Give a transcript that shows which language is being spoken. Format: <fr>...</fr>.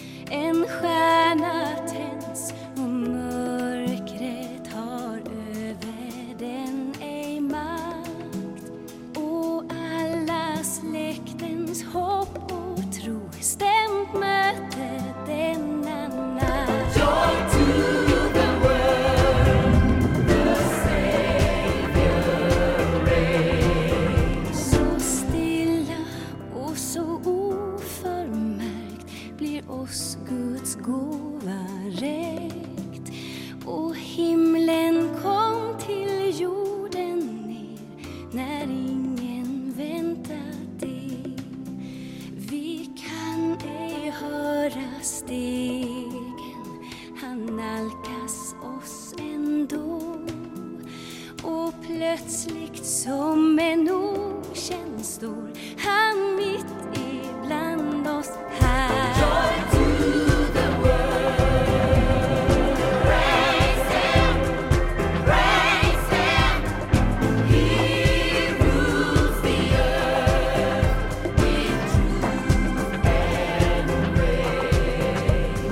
<sv>En stjärna tänds och mörkret har över den ej makt, och alla släktens hopp och tro stämt möte denna natt.</sv> <en>Joy to the world, the Savior reigns.</en> <sv>Så stilla och så oförmärkt blir oss Guds gåva räckt, och himlen kom till jorden ner när ingen väntat det. Vi kan ej höra stegen, han nalkas oss ändå, och plötsligt som en okänd stor han mitt ibland oss här.</sv> <en>Joy to the world. Praise him, praise him. He rules the earth with truth and grace.</en>